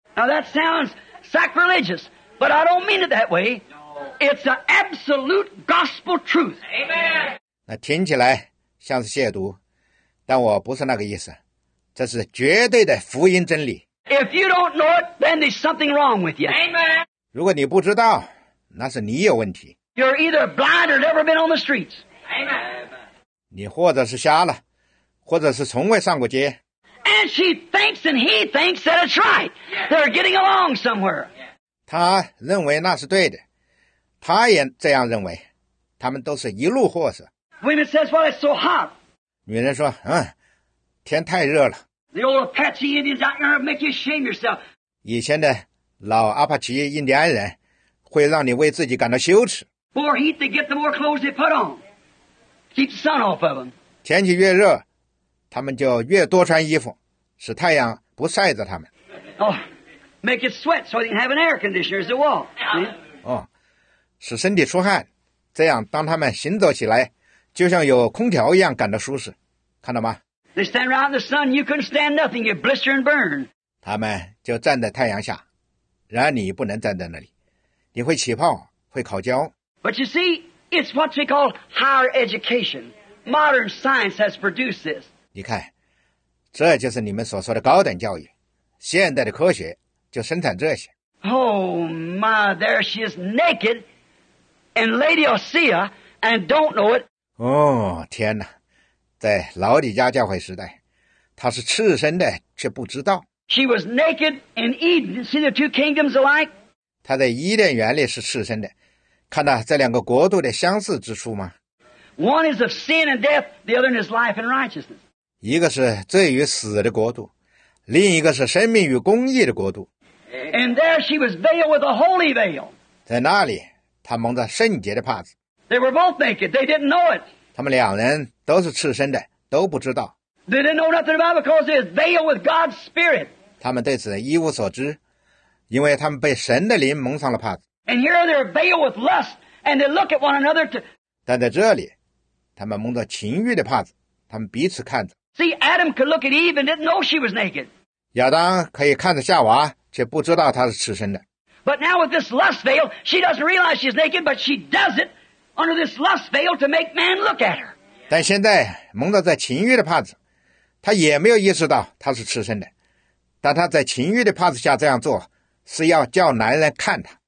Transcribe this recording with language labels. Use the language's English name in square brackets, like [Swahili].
[English] Now that sounds sacrilegious, but I don't mean it that way. It's an absolute gospel truth. Amen. [Chinese] 那听起来像是亵渎，但我不是那个意思，这是绝对的福音真理。 [English] If you don't know it, then there's something wrong with you. Amen. [Chinese] 如果你不知道，那是你有问题。 [English] You're either blind or never been on the streets. Amen. [Chinese] 你或者是瞎了，或者是从未上过街。 [English] And she thinks and he thinks that it's right. They're getting along somewhere. [Chinese] 他认为那是对的，他也这样认为，他们都是一路货色。 [English] Women says, "Well, it's so hot." [Chinese] 女人说，嗯，天太热了。 [English] The old Apache Indians out there make you shame yourself. [Chinese] 以前的老阿帕奇印第安人会让你为自己感到羞耻。 [English] More heat they get, the more clothes they put on. Keep the sun off of them. [Chinese] 天气越热，他们就越多穿衣服，使太阳不晒着他们。 [English] Oh, make it sweat so they can have an air conditioner as a wall. [Chinese] 哦，使身体出汗，这样当他们行走起来，就像有空调一样感到舒适。看到吗？ [English] They stand around the sun, you couldn't stand nothing, you blister and burn. [Chinese] 他们就站在太阳下，然而你不能站在那里，你会起泡，会烤焦。 [English] But you see, it's what we call higher education. Modern science has produced this. [Chinese] 你看，这就是你们所说的高等教育，现代的科学就生产这些。 [English] Oh my, there she is naked, and Laodicea, and don't know it. [Chinese] 哦，天哪！在老底家教会时代，她是赤身的，却不知道。 [English] She was naked in Eden. See the two kingdoms alike. [Chinese] 她在伊甸园里是赤身的，看到这两个国度的相似之处吗 [English] ？One is of sin and death. The other is life and righteousness. [Chinese] 一个是罪与死的国度，另一个是生命与公义的国度。 [English] And there she was veiled with a holy veil. [Chinese] 在那里，她蒙着圣洁的帕子。 [English] They were both naked. They didn't know it. [Chinese] 他们两人。都是赤身的，都不知道。 [English] They didn't know nothing about it because they were veiled with God's Spirit. [Chinese] 他们对此一无所知，因为他们被神的灵蒙上了帕子。 [English] And here they are veiled with lust, and they look at one another to. [Chinese] 但在这里，他们蒙着情欲的帕子，他们彼此看着。 [English] See, Adam could look at Eve and didn't know she was naked. [Chinese] 亚当可以看着夏娃，却不知道她是赤身的。 [English] But now with this lust veil, she doesn't realize she's naked, but she does it under this lust veil to make man look at her. [Chinese] 但现在蒙着在情欲的帕子，他也没有意识到他是赤身的。但他在情欲的帕子下这样做，是要叫男人看他。